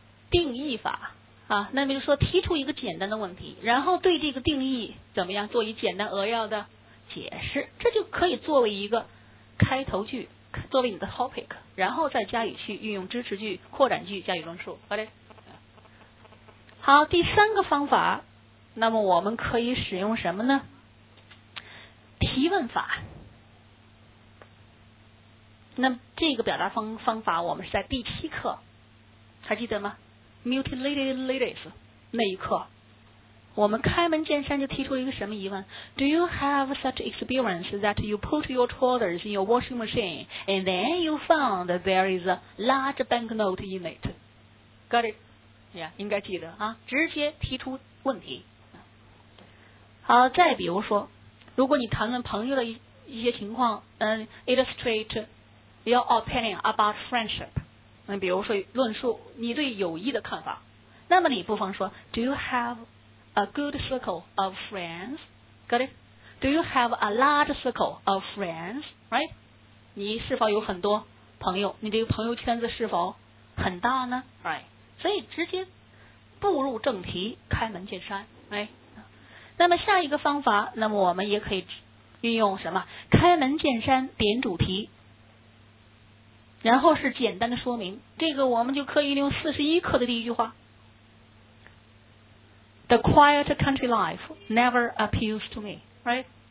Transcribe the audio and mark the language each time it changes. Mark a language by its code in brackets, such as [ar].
[zh] 定义法。啊，那比如说提出一个简单的问题，然后对这个定义怎么样做一简单扼要的解释，这就可以作为一个开头句，作为你的 topic， 然后再加以去运用支持句、扩展句加以论述。好的。好，第三个方法，那么我们可以使用什么呢？提问法。那这个表达方法我们是在第7课，还记得吗？ [en] Mutilated ladies [zh] 那一刻我们开门见山就提出一个什么疑问 [en] Do you have such experience that you put your trousers in your washing machine and then you found that there is a large banknote in it? Got it? [zh] Yeah, 应该记得啊，直接提出问题。好，再比如说如果你谈论朋友的一些情况 [en] illustrate your opinion about friendship [zh] 比如说论述你对友谊的看法那么你不妨说 [en] Do you have a good circle of friends? Got it? Do you have a large circle of friends? Right? [zh] 你是否有很多朋友你这个朋友圈子是否很大呢 Right? 所以直接步入正题开门见山 Right? 那么下一个方法那么我们也可以运用什么开门见山点主题然后是简单的说明这个我们就可以用41课的第一句话 [en] The quiet country life never appeals to me right